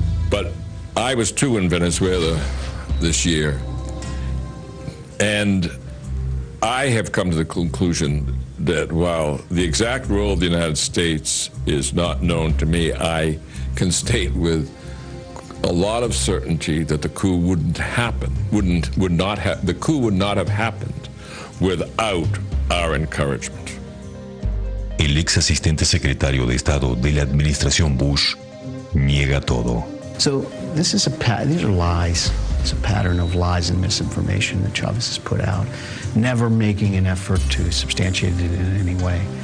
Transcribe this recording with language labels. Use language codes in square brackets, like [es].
[en] But I was too in Venezuela this year, and I have come to the conclusion that while the exact role of the United States is not known to me, I can state with a lot of certainty that the coup wouldn't happen, would not have happened without our encouragement. [es] El ex asistente secretario de Estado de la administración Bush niega todo. [en] So this is these are lies. It's a pattern of lies and misinformation that Chavez has put out, never making an effort to substantiate it in any way.